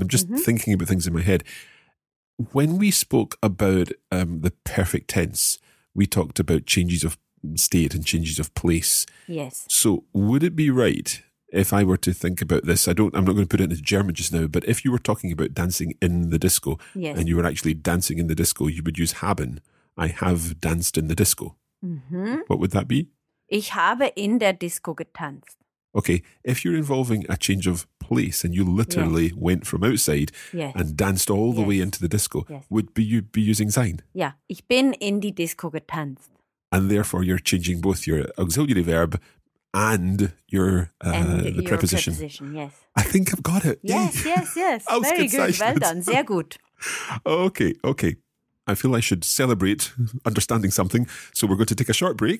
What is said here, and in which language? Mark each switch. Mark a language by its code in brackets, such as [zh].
[en] I'm just thinking about things in my head. When we spoke about the perfect tense, we talked about changes of state and changes of place. Yes. So would it be right if I were to think about this? I'm not going to put it into German just now, but if you were talking about dancing in the disco and you were actually dancing in the disco, you would use haben. I have danced in the disco. Mm-hmm. What would that be? [de] Ich habe in der Disco getanzt. [en] Okay, if you're involving a change of place and you literally went from outside and danced all the way into the disco, would you be using sein? [de] Yeah, ich bin in die Disco getanzt. [en] And therefore you're changing both your auxiliary verb and your preposition. Yes. I think I've got it. Yes. Very good. Well done. [de] Sehr gut. [en] Okay. I feel I should celebrate understanding something. So we're going to take a short break.